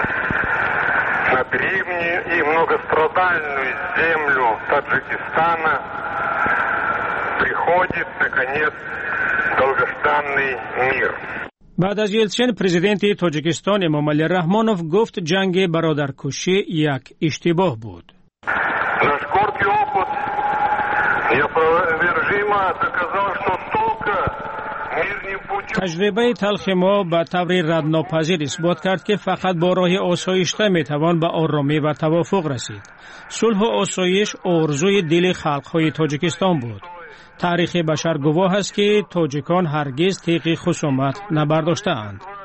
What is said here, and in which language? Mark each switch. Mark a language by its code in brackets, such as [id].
[ru] На древнюю и многострадальную землю Таджикистана приходит, наконец, долгожданный мир. [fa] بعد از یلسین، پرزیدنت تاجیکستان امام علی رحمانوف گفت جنگ برادرکشی یک اشتباه بود. [ru] Наш горький опыт неопровержимо доказал, что только [fa] تجربه تلخ ما به طور ردناپذیر اثبات کرد که فقط با راه آسایشته می توان به آرامی و توافق رسید. صلح و آسایش آرزوی دل خلقهای تاجیکستان بود. تاریخ بشر گواه است که تاجیکان هرگز تیغ خصومت نبرداشتند.